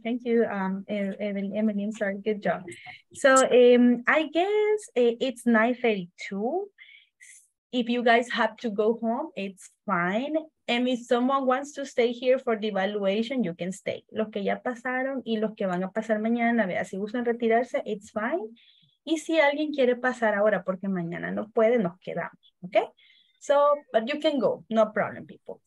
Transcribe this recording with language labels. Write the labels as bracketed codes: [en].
[en] Thank you, Emily. I'm sorry. Good job. So I guess it's 9:32. If you guys have to go home, it's fine. And if someone wants to stay here for the evaluation, you can stay. [es] Los que ya pasaron y los que van a pasar mañana, vea, si gustan retirarse, [en] it's fine. [es] Y si alguien quiere pasar ahora porque mañana no puede, nos quedamos, ¿ok? [en] So, but you can go, no problem, people.